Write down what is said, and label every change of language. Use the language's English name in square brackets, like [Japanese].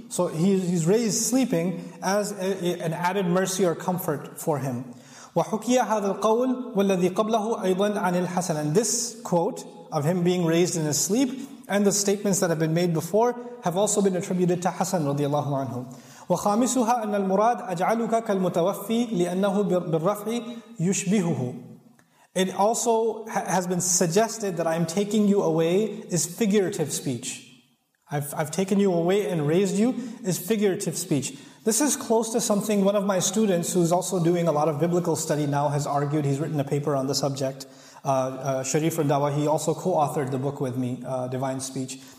[English] So he's raised sleeping as an added mercy or comfort for him. [Arabic] وَحُكِيَ هَذَا الْقَوْلُ وَالَّذِي قَبْلَهُ أَيْضًا عَنِ الْحَسَنِ. [English] And this quote of him being raised in his sleep and the statements that have been made before have also been attributed to Hasan radiallahu anhu. [Arabic] وخامسها أن المراد أجعلك كالمتوفي لأنه بالرفع يشبهه. [English] It also has been suggested that I am taking you away is figurative speech. I've taken you away and raised you is figurative speech. This is close to something one of my students, who is also doing a lot of biblical study now, has argued. He's written a paper on the subject. Sharif Rindawa, he also co-authored the book with me, Divine Speech.